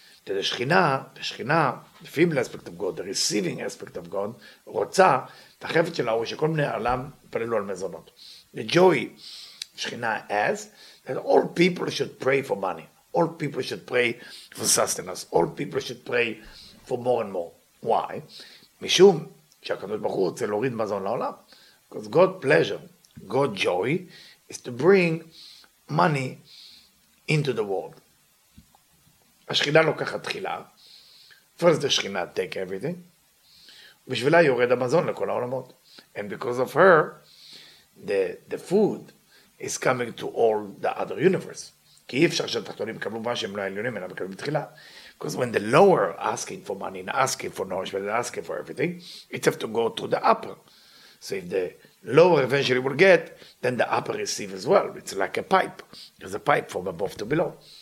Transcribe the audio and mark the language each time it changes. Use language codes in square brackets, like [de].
[en] The Shechina, the female aspect of God, the receiving aspect of God, [he] רוצה, את החפץ שלה, הוא שכל מיני העולם פללו על מזונות. [en] The joy, Shechina has, that all people should pray for money. All people should pray for sustenance. All people should pray for more and more. Why? [he] משום שהקדוש ברוך הוא רוצה להוריד מזון לעולם. [en] Because God's pleasure, God's joy, is to bring money into the world. [he] השכינה לוקחת תחילה. [en] First, the שכינה take everything. [he] בשבילה יורד המזון לכל העולמות. [en] And because of her, the food is coming to all the other universe. [he] כי אי אפשר שהתחתונים יקבלו מה שהם לא העליונים, אלא מקבלים תחילה. [en] Because when the lower asking for money and asking for nourishment and asking for everything, it have to go to the upper. So if the lower eventually will get, then the upper receive as well. It's like a pipe. There's a pipe from above to below.